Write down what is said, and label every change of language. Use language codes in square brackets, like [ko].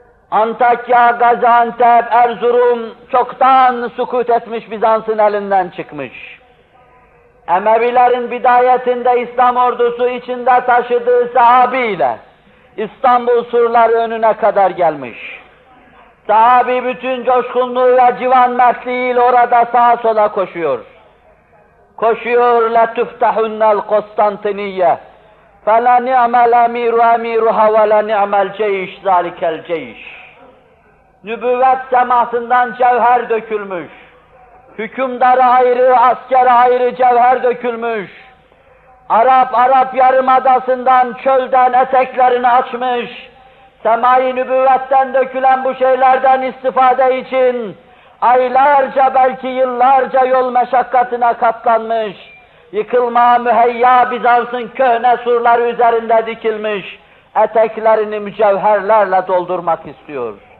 [tr] Antakya, Gaziantep, Erzurum çoktan sukut etmiş Bizans'ın elinden çıkmış. Emevilerin bidayetinde İslam ordusu içinde taşıdığı sahabiyle İstanbul surları önüne kadar gelmiş. Sahabi bütün coşkunluğu ve civan mertliğiyle orada sağa sola koşuyor. Koşuyor [ar] لَتُفْتَحُنَّ الْقُسْتَنْتِنِيَّةِ فَلَنِعْمَ الْاَمِيرُ اَمِيرُهَا وَلَنِعْمَ الْجَيْشِ ذَٰلِكَ الْجَيْشِ. [tr] Nübüvvet semasından cevher dökülmüş. Hükümdar ayrı, asker ayrı cevher dökülmüş. Arap, Arap yarımadasından, çölden eteklerini açmış. Semai nübüvvetten dökülen bu şeylerden istifade için aylarca belki yıllarca yol meşakkatına katlanmış, yıkılmaya müheyya Bizans'ın köhne surları üzerinde dikilmiş, eteklerini mücevherlerle doldurmak istiyor.